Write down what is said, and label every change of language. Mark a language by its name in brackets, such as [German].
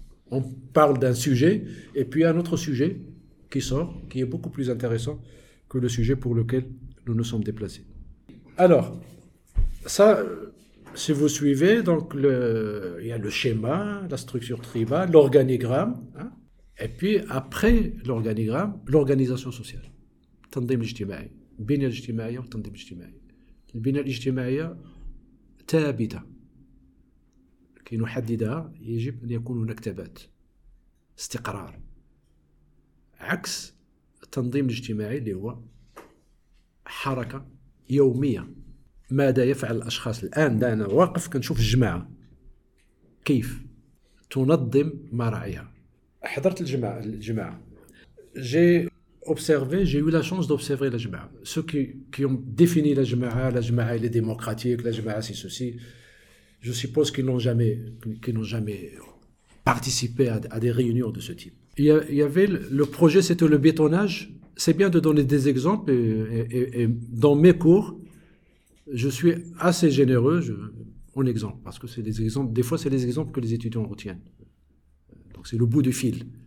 [French] On parle d'un sujet, et puis un autre sujet qui sort, qui est beaucoup plus intéressant que le sujet pour lequel nous nous sommes déplacés. Alors, ça, si vous suivez, donc il y a le schéma, la structure tribale, l'organigramme, et puis après l'organigramme, l'organisation sociale. Tandem ijtimaï, bin ijtimaï, tandem ijtimaï. [Arabic] البناء الاجتماعية ثابتة كي نحددها يجب أن يكون هناك ثبات استقرار عكس التنظيم الاجتماعي اللي هو حركة يومية ماذا يفعل الأشخاص الآن ده أنا واقف كنشوف الجماعة كيف تنظم مراعيها حضرت الجماعة جي [French] observer, j'ai eu la chance d'observer la Jama'a. Ceux qui ont défini la Jama'a elle est démocratique, la Jama'a c'est ceci, je suppose qu'ils n'ont jamais participé à des réunions de ce type. Il y avait le projet, c'était le bétonnage. C'est bien de donner des exemples et dans mes cours, je suis assez généreux en exemple, parce que c'est des exemples, des fois c'est les exemples que les étudiants retiennent. Donc c'est le bout du fil.